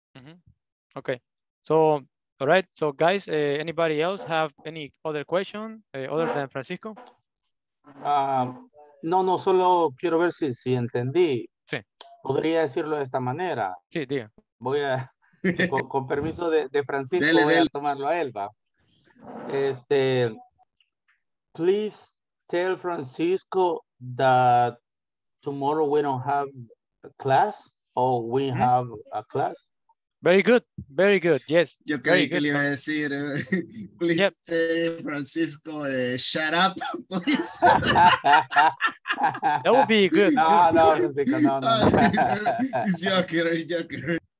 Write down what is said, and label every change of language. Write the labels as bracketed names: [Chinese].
[English] Mm-hmm. Okay, so all right, so guys, anybody else have any other question other than Francisco? [Spanish] No, solo quiero ver si entendí. Sí. Podría decirlo de esta manera. Sí, diga. Voy a, con permiso de Francisco, voy a tomarlo a Elba. [English] Please tell Francisco that tomorrow we don't have a class. Oh, we have a class. Very good, yes. [Spanish] Yo creí que le iba a decir, [English] please, yep. Francisco, shut up, please. That would be good. [Spanish] No, Francisco.